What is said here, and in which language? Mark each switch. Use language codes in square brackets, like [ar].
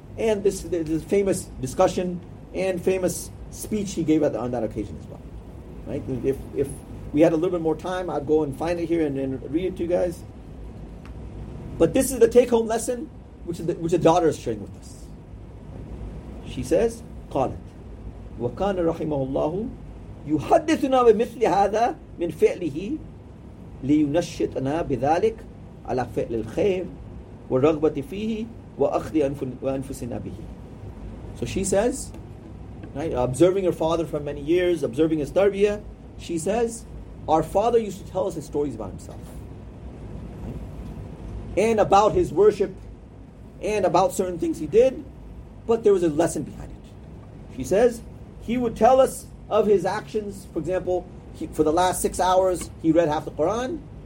[en] And this famous discussion and famous speech he gave on that occasion as well. Right? If we had a little bit more time, I'd go and find it here and read it to you guys. But this is the take-home lesson which the daughter is sharing with us. She says, [ar] قَالَتْ وَكَانَ رَحِمَهُ اللَّهُ يُحَدِّثُنَا بِمِثْلِ هَذَا مِنْ فِعْلِهِ لِيُنَشِّطْنَا بِذَلِكَ عَلَى فِعْلِ الْخَيْرِ وَالرَّغْبَةِ فِيهِ وَأَخْذِ أَنفُسِنَا بِهِ. [en] So she says, right? Observing her father for many years, observing his tarbiyah, she says, our father used to tell us his stories about himself, right? And about his worship, and about certain things he did, but there was a lesson behind it. She says, he would tell us of his actions. For example, for the last 6 hours, he read half the Quran.